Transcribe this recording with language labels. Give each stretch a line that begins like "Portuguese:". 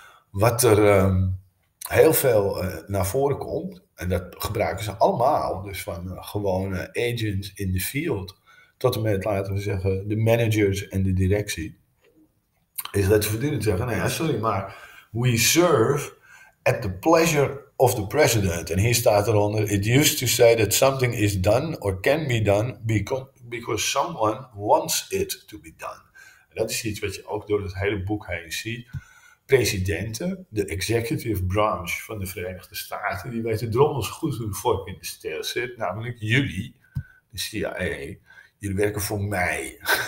Dutch: Wat er heel veel naar voren komt, en dat gebruiken ze allemaal, dus van gewone
English: agents in the field,
Dutch: tot en met, laten we zeggen, de managers en de directie, is dat ze voortdurend zeggen, nee, sorry, maar
English: we serve at the pleasure of the president.
Dutch: En hier staat eronder,
English: it used to say that something is done or can be done
Dutch: because someone wants it to be done. En dat is iets wat je ook door het hele boek heen ziet. Presidenten, de executive branch van de Verenigde Staten, die weten drommels goed hoe de vork in de steel zit, namelijk jullie, de CIA, jullie werken voor mij.